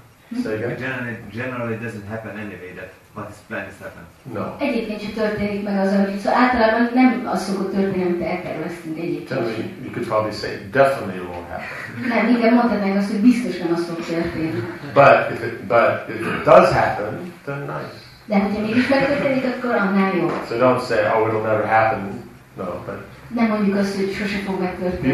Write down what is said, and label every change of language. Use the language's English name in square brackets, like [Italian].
[English] Generally it doesn't happen anyway, that what is planned is happening. No. [Hungarian] Egyébként sem történik meg az, amit szó. Általában nem az szokott történni, amit elterveztünk egyébként. [English] Tell me, you could probably say, definitely it won't happen. [Hungarian] Nem, igen, mondhatnánk azt, hogy biztosan az fog történni. [English] But if it does happen, then nice. [Hungarian] De hogyha mégis megtörténik, akkor annál jó. [English] So don't say, oh, it'll never happen. No, but... [Hungarian] Nem mondjuk azt, hogy sose fog megtörténni.